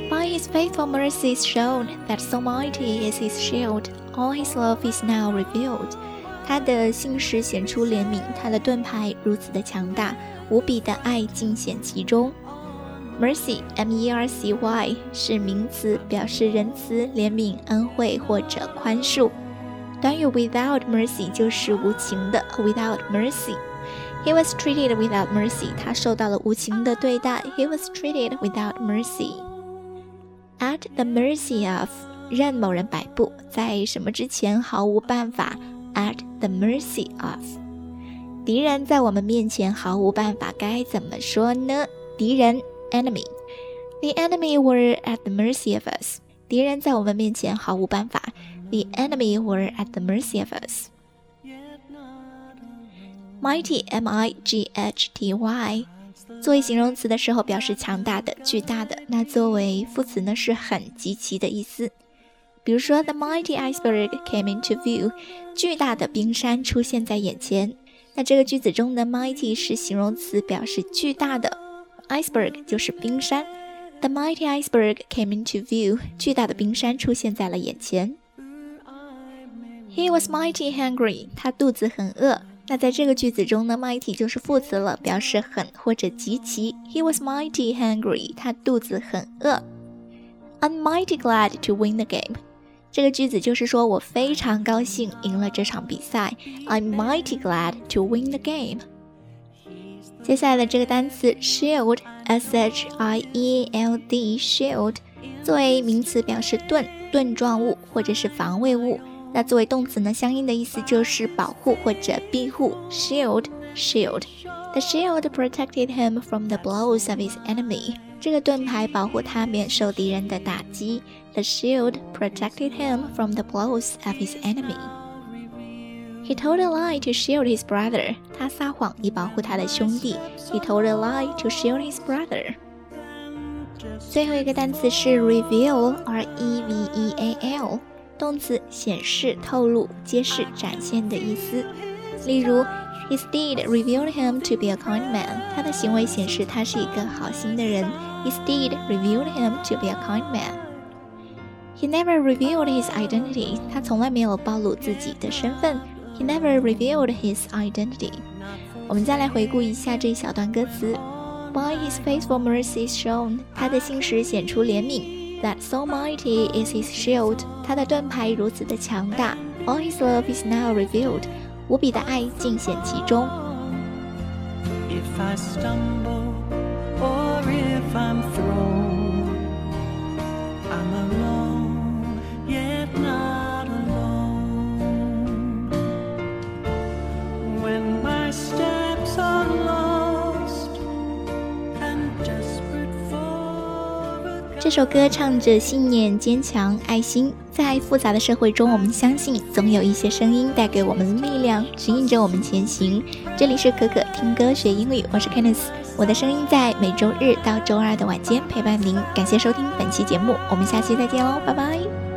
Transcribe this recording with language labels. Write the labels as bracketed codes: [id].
[en] His faithful mercy is shown, that so mighty is his shield, all his love is now revealed. [zh] 他的信实显出怜悯，他的盾牌如此的强大，无比的爱尽显其中。 Mercy, M-E-R-C-Y 是名词，表示仁慈、怜悯、恩惠或者宽恕。短语 without mercy 就是无情的， without mercy。 [en] He was treated without mercy， [zh] 他受到了无情的对待。 [en] He was treated without mercy。 [zh] At the mercy of， 任某人摆布，在什么之前毫无办法。 At the mercy of， 敌人在我们面前毫无办法，该怎么说呢？敌人 enemy， [en] The enemy were at the mercy of us， [zh] 敌人在我们面前毫无办法。 [en] The enemy were at the mercy of us。 [zh] Mighty， M-I-G-H-T-Y作为形容词的时候表示强大的、巨大的，那作为副词呢是很、极其的意思。比如说 [en] The mighty iceberg came into view， [zh] 巨大的冰山出现在眼前。那这个句子中的 mighty 是形容词，表示巨大的， iceberg 就是冰山。 [en] The mighty iceberg came into view， [zh] 巨大的冰山出现在了眼前。 [en] He was mighty hungry， [zh] 他肚子很饿。那在这个句子中呢 mighty 就是副词了，表示很或者极其。 [en] He was mighty hungry， [zh] 他肚子很饿。 [en] I'm mighty glad to win the game， [zh] 这个句子就是说我非常高兴赢了这场比赛。 [en] I'm mighty glad to win the game。 [zh] 接下来的这个单词 shield， S-H-I-E-L-D， shield 作为名词表示盾、盾状物或者是防卫物，那作为动词呢相应的意思就是保护或者庇护。 Shield， Shield， [en] The shield protected him from the blows of his enemy， [zh] 这个盾牌保护他免受敌人的打击。 [en] The shield protected him from the blows of his enemy。 He told a lie to shield his brother， [zh] 他撒谎以保护他的兄弟。 [en] He told a lie to shield his brother。 [zh] 最后一个单词是 reveal， R-E-V-E-A-L，动词显示、透露、揭示、展现的意思。例如 [en] His deed revealed him to be a kind man. [zh] 他的行为显示他是一个好心的人。 [en] His deed revealed him to be a kind man. He never revealed his identity. [zh] 他从来没有暴露自己的身份。 [en] He never revealed his identity. [zh] 我们再来回顾一下这一小段歌词。 [en] By his faithful mercy is shown. [zh] 他的信实显出怜悯。 [en] That so mighty is his shield. [zh] 他的盾牌如此的强大。 [en] All his love is now revealed. [zh] 无比的爱尽显其中。 [en] If I stumble or if I'm thrown, I'm alone, yet not alone. When my steps are lost and desperate for a guide. [zh] 这首歌唱着信念、坚强、爱心。在复杂的社会中，我们相信总有一些声音带给我们力量，指引着我们前行。这里是可可听歌学英语，我是 Kenneth， 我的声音在每周日到周二的晚间陪伴您。感谢收听本期节目，我们下期再见哦，拜拜。